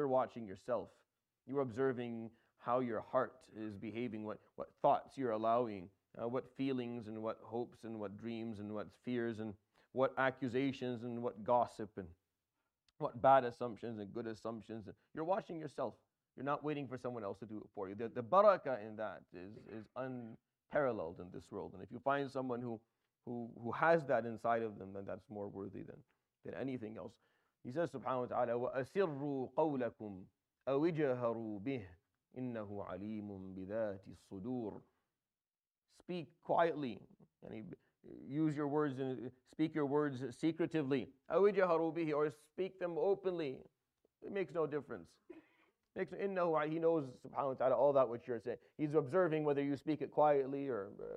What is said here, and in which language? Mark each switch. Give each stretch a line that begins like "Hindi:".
English: You're watching yourself, you're observing how your heart is behaving, what thoughts you're allowing, what feelings and what hopes and what dreams and what fears and what accusations and what gossip and what bad assumptions and good assumptions. You're watching yourself. You're not waiting for someone else to do it for you. The barakah in that is unparalleled in this world. And if you find someone who has that inside of them, then that's more worthy than anything else. He says, subhanahu wa ta'ala,
Arabic: وَأَسِرُّوا قَوْلَكُمْ أَوِجَهَرُوا بِهِ إِنَّهُ عَلِيمٌ بِذَاتِ الصُّدُورِ.
English: Speak quietly. Use your words and speak your words secretively.
Arabic: أَوِجَهَرُوا بِهِ,
English: or speak them openly. It makes no difference. He knows, subhanahu wa ta'ala, all that which you're saying. He's observing whether you speak it quietly or.